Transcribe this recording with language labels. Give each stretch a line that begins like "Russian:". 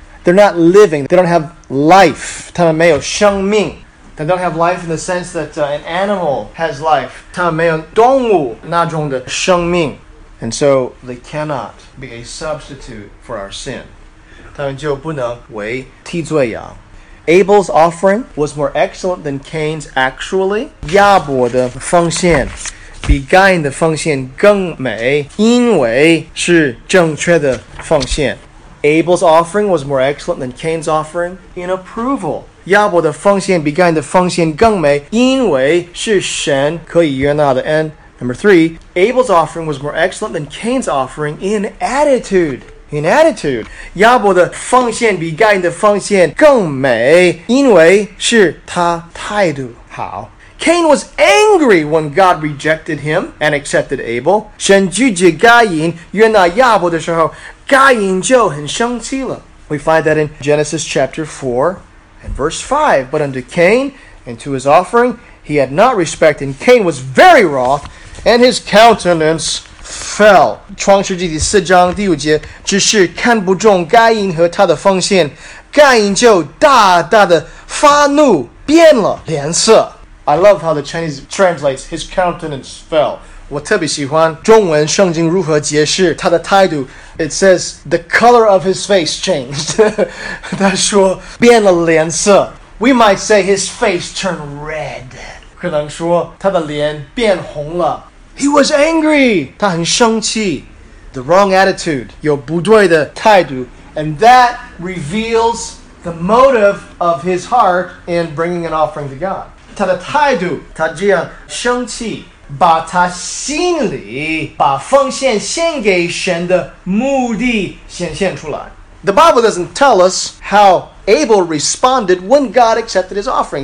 English: They're not living. They don't have life.
Chinese: 他们没有生命。
English: They don't have life in the sense that an animal has life.
Chinese: 他们没有动物那种的生命。
English: And so they cannot be a substitute for our sin.
Chinese: 他们就不能为替罪羊。
English: Abel's offering was more excellent than Cain's actually.
Chinese: 亚伯的奉献比该隐的奉献更美，因为是正确的奉献。
English: Abel's offering was more excellent than Cain's offering in approval.
Chinese: 亚伯的奉献比该隐的奉献更美，因为是神可以悦纳的。
English: And number three, Abel's offering was more excellent than Cain's offering in attitude. In attitude,
Chinese: 亚伯的奉献比该隐的奉献更美，因为是他态度好。
English: Cain was angry when God rejected him and accepted Abel.
Chinese: 神拒绝该隐悦纳亚伯的时候，该隐就很生气了。
English: We find that in Genesis chapter 4 and verse 5. But unto Cain and to his offering, he had not respect, and Cain was very wroth, and his countenance fell.
Chinese: 创世纪第四章第五节，只是看不中该隐和他的奉献，该隐就大大的发怒，变了脸色。
English: I love how the Chinese translates, his countenance fell.
Chinese: 我特别喜欢中文圣经如何解释他的态度。
English: It says, the color of his face changed.
Chinese: 他说变了脸色。
English: We might say his face turned red.
Chinese: 可能说他的脸变红了。
English: He was angry.
Chinese: 他很生气。
English: The wrong attitude,
Chinese: 有不对的态度
English: And that reveals the motive of his heart in bringing an offering to God.
Chinese: 他的态度，他这样生气，把他心里把奉献献给神的目的显现出来。
English: The Bible doesn't tell us how Abel responded when God accepted his offering.